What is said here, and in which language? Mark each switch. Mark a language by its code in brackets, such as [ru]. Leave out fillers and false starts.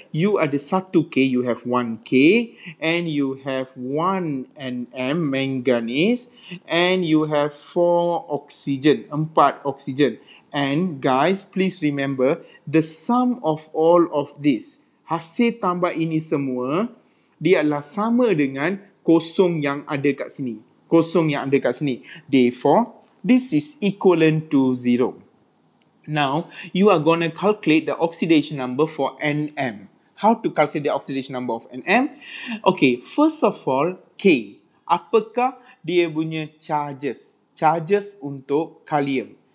[en] You ada 1K, you have 1K, and you have 1 nm manganese, and you have 4 oxygen. And guys, please remember, the sum of all of this, [ms] hasil tambah ini semua, dia adalah sama dengan kosong yang ada kat sini. [en] Therefore, this is equivalent to 0. Now, you are going to calculate the oxidation number for NM. How to calculate the oxidation number of NM? Okay, first of all, K. [ms] Apakah dia punya charges? Charges untuk kalium.